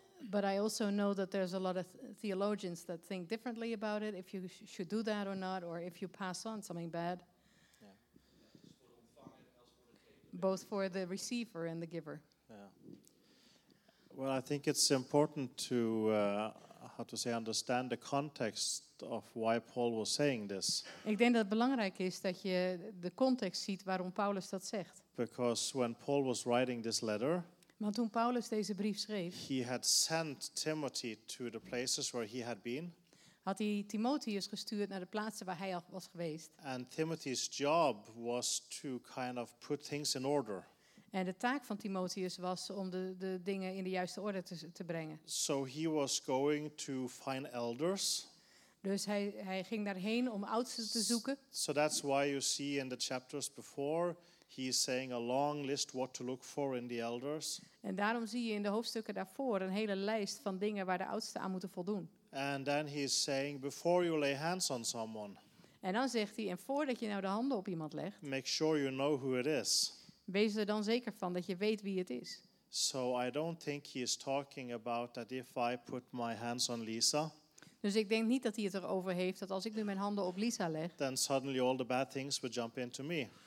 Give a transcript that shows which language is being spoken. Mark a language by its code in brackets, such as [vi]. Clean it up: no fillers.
[en] But I also know that there's a lot of theologians that think differently about it, if you should do that or not, or if you pass on something bad. Both for the receiver and the giver. Yeah. Well, I think it's important to, understand the context of why Paul was saying this. [nl] Ik denk dat het belangrijk is dat je de context ziet waarom Paulus dat zegt. [en] Because when Paul was writing this letter, [nl] want toen Paulus deze brief schreef, [en] he had sent Timothy to the places where he had been. [nl] Had hij Timotheus gestuurd naar de plaatsen waar hij al was geweest. [en] And Timothy's job was to kind of put things in order. [nl] En de taak van Timotheus was om de dingen in de juiste orde te brengen. [en] So he was going to find elders. [nl] Dus hij ging daarheen om oudsten te zoeken. [en] So that's why you see in the chapters before he is saying a long list what to look for in the elders. [nl] En daarom zie je in de hoofdstukken daarvoor een hele lijst van dingen waar de oudsten aan moeten voldoen. [en] And then he is saying, before you lay hands on someone. [nl] En dan zegt hij, en voordat je nou de handen op iemand legt, [en] make sure you know who it is. [nl] Wees er dan zeker van dat je weet wie het is. [en] So I don't think he is talking about that if I put my hands on Lisa. [nl] Dus ik denk niet dat hij het erover heeft dat als ik nu mijn handen op Lisa leg, [en] then suddenly all the bad things would jump into me.